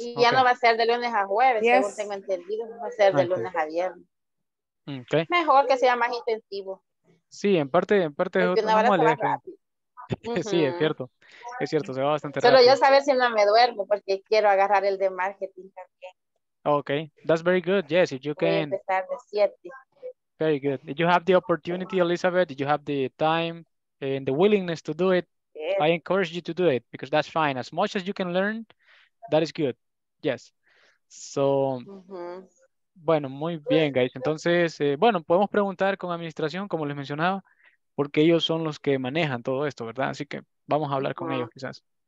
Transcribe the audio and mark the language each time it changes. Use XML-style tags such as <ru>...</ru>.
<es>Y ya no va a ser de lunes a jueves, según tengo entendido, no va a ser de lunes a viernes.</es> <en>Okay.</en> <es>Mejor que sea más intensivo. Sí, en parte es otro normal. Sí, es cierto, se va bastante rápido. Solo yo saber si no me duermo, porque quiero agarrar el de marketing también.</es> <en>Okay, that's very good. Yes, if you can.</en> <es>Voy a empezar de 7.</es> <en>Very good. If you have the opportunity, Elizabeth, if you have the time and the willingness to do it, I encourage you to do it, because that's fine. As much as you can learn, that is good. Yes. So,</en> <es>bueno, muy bien,</es> <en>guys.</en> <es>Entonces, bueno, podemos preguntar con administración, como les mencionaba, porque ellos son los que manejan todo esto, ¿verdad? Así que vamos a hablar con ellos, quizás.</es>